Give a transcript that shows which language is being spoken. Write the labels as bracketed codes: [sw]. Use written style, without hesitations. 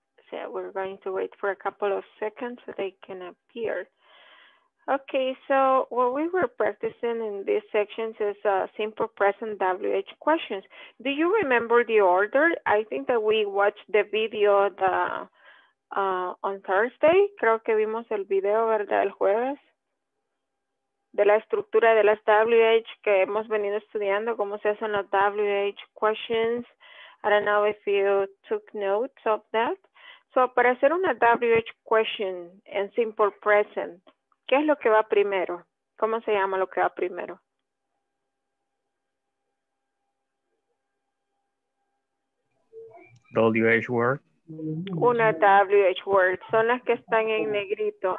[en] So we're going to wait for a couple of seconds so they can appear. Okay, so what we were practicing in these sections is simple present WH questions. Do you remember the order? I think that we watched the video on Thursday. [es] Creo que vimos el video, ¿verdad? El jueves. De la estructura de las WH que hemos venido estudiando, cómo se hacen las WH questions. [en] I don't know if you took notes of that. [es] So, para hacer una WH question en simple present, ¿qué es lo que va primero? ¿Cómo se llama lo que va primero? [en] WH word. [es] Una WH word. Son las que están en negrito.